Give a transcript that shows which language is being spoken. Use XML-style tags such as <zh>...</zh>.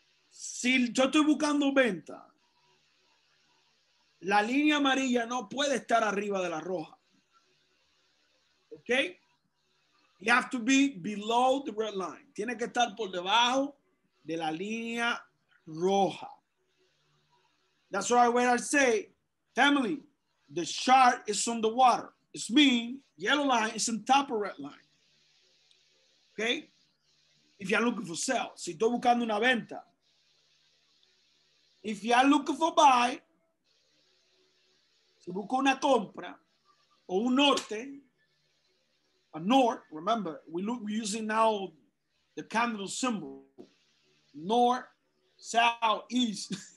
<es>Si yo estoy buscando venta, la línea amarilla no puede estar arriba de la roja.</es> <en>Okay? You have to be below the red line.</en> <es>Tiene que estar por debajo de la línea roja.</es> <en>That's why when I say, family, the shark is on the water. It's mean, yellow line is on top of red line. Okay? If you're looking for sell,</en> <es>si estoy buscando una venta.</es> <en>If you are looking for buy,</en> <es>si busco una compra o un norte,</es> <en>a north, remember, we're using now the candle symbol, north, south, east.</en>